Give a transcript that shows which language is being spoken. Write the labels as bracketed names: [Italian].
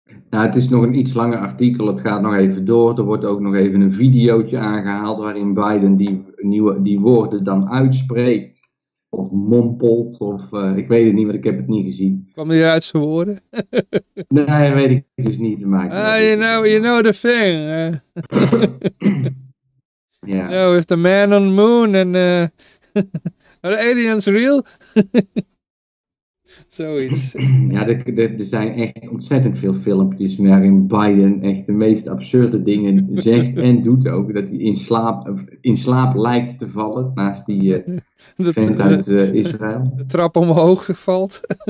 [Dutch] Nou, het is nog een iets langer artikel, het gaat nog even door. Er wordt ook nog even een videootje aangehaald waarin Biden die woorden dan uitspreekt of mompelt of ik weet het niet, want ik heb het niet gezien. Kwam hij uit zijn woorden? Nee, weet ik dus niet te maken. [English] You know the thing. Yeah. No, with the man on the moon and are aliens real? [Dutch] Zoiets. Ja, er zijn echt ontzettend veel filmpjes waarin Biden echt de meest absurde dingen zegt en doet ook. Dat hij in slaap lijkt te vallen naast die vent uit Israël. De trap omhoog valt.